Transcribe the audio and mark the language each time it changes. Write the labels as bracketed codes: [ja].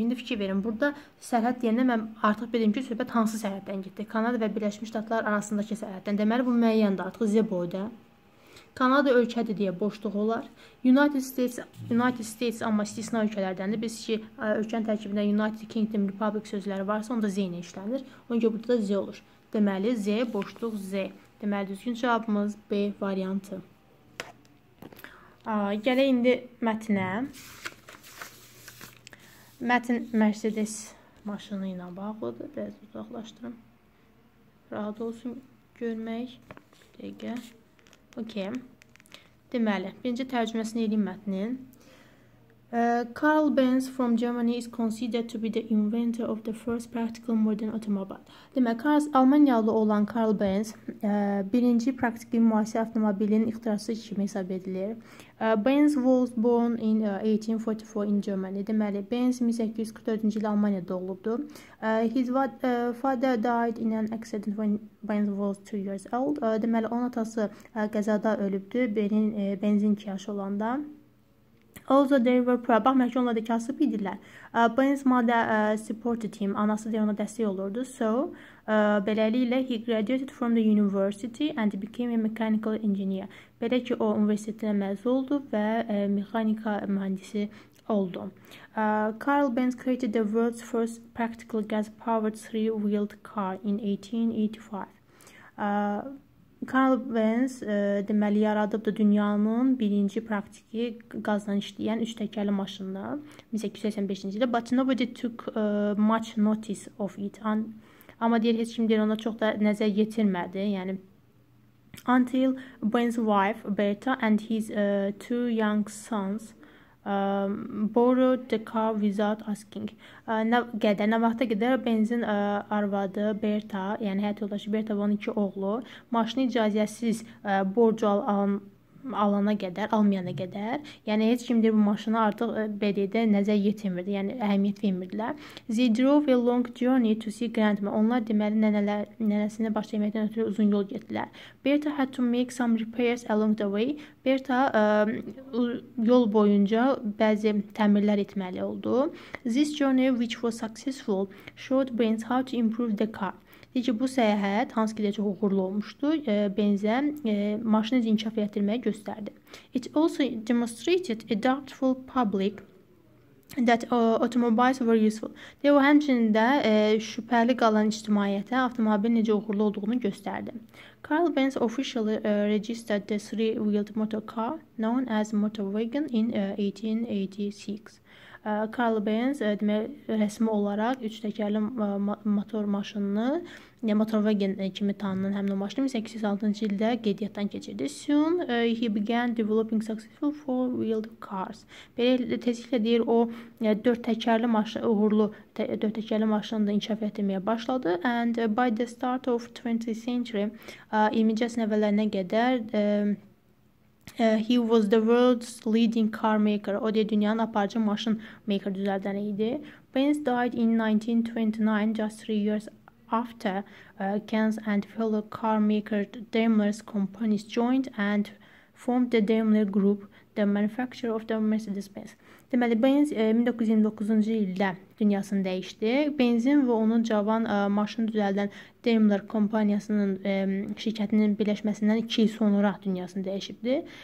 [az] İndi fikir verin, burada sərhəd deyəndə mən artıq bilirəm ki, söhbət hansı sərhəddən gedir. Kanada və Birləşmiş Ştatlar arasındakı sərhəddən. Deməli, bu müəyyəndir, artıq Z boyda. Kanada ölkədir deyə boşluq olar. United States amma istisna ölkələrdəndir. Biz ki, ölkənin tərkibində United Kingdom Republic sözləri varsa, onda Z ilə işlənir. Onun görə burada da Z olur. Deməli, Z, boşluq Z. Deməli, düzgün cavabımız B variantı. Gələk indi mətnə. Mətn Mercedes maşını ilə bağlıdır. Biraz uzaqlaşdırım. Rahat olsun görmək. Bir dəqiqə. Okey. Deməli, birinci tərcüməsini edeyim mətnin. [en] Carl Benz from Germany is considered to be the inventor of the first practical modern automobile. [az] Demək, Almanyalı olan Carl Benz birinci praktiki müasir avtomobilin ixtirası kimi hesab edilir. [en] Benz was born in 1844 in Germany. [az] Deməli, Benz 1844-cü ildə Almanya doğulubdur. [en] His father died in an accident when Benz was 2 years old. [az] Deməli, onun atası qəzada ölübdür, Benzin 2 yaşı olanda. [en] Also they were proud. [az] Baxmayaq ki, onlar da kasıb idilər. [en] Benz mother supported him. [az] Anası da ona dəstək olurdu. [en] So, [az] beləliklə, [en] he graduated from the university and became a mechanical engineer. [az] Belə ki, o universitetinə məzun oldu və mexanika mühəndisi oldu. [en] Carl Benz created the world's first practical gas-powered three-wheeled car in 1885. [az] Carl Benz deməli yaradıbdı dünyanın birinci praktiki qazdan işləyən üç təkərli maşınını 1885-ci ildə. [en] But nobody took much notice of it. [az] Amma deyir, heç kim deyir, ona çox da nəzər yetirmədi. Yəni, [en] until Benz's wife Bertha and his two young sons borrowed the car without asking. [az] Nə vaxta qədər Benzin arvadı Bertha, yəni həyat yoldaşı Bertha və onun iki oğlu maşını icazəsiz borcu almayana qədər, yəni heç kim deyir, bu maşını artıq BD-də nəzər yetirmirdi, yəni əhəmiyyət vermirdilər. [en] They drove a long journey to see grandma. [az] Onlar deməli nənəsini başa yeməkdən ötürü uzun yol getdilər. [en] Bertha had to make some repairs along the way. [az] Bertha yol boyunca bəzi təmirlər etməli oldu. [en] This journey, which was successful, showed Benz how to improve the car. [az] Deyir ki, bu səyahət hansı ki də çox uğurlu olmuşdu, Benzə maşını inkişaf etdirməyi göstərdi. [en] It also demonstrated a doubtful public that automobiles were useful. [az] Deyir, o həmçinin də şübhəli qalan ictimaiyyətə avtomobil necə uğurlu olduğunu göstərdi. [en] Carl Benz officially registered the three-wheeled motor car known as Motorwagen in 1886. [az] Carl Benz rəsmi olaraq üç təkərli motor maşınını, yəni Motorwagen kimi tanınan həmin o maşını 1886-cı ildə qeydiyyatdan keçirdi. [en] Soon he began developing successful four-wheeled cars. [az] Belə tezliklə deyir, o dörd təkərli maşını da inkişaf etdirməyə başladı. [en] And by the start of 20th century, [az] 20-ci əsrin əvvəllərinə qədər [en] he was the world's leading car maker. [az] O deyə dünyanın aparıcı maşın [en] maker [az] düzəldəni idi. [en] Benz died in 1929, just 3 years after Kenz and fellow car maker Daimler's companies joined and formed the Daimler Group, the manufacturer of the Mercedes-Benz. [az] Deməli, Benz 1929-cu ildə dünyasını dəyişdi. Benzin və onun cavan maşını düzəldən Daimler kompaniyasının şirkətinin birləşməsindən 2 il sonra dünyasını dəyişibdi.